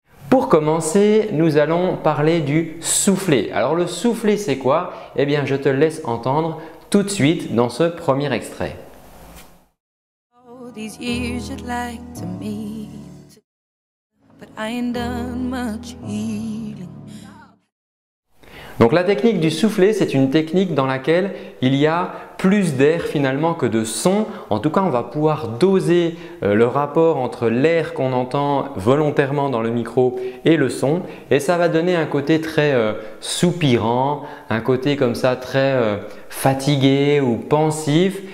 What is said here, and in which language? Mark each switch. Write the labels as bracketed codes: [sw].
[fr] Pour commencer, nous allons parler du soufflet. Alors le soufflet, c'est quoi? Eh bien, je te le laisse entendre tout de suite dans ce premier extrait. [en] These years you'd like to meet, but I ain't done much healing. [fr] Donc la technique du soufflet, c'est une technique dans laquelle il y a plus d'air finalement que de son. En tout cas, on va pouvoir doser le rapport entre l'air qu'on entend volontairement dans le micro et le son. Et ça va donner un côté très soupirant, un côté comme ça très fatigué ou pensif.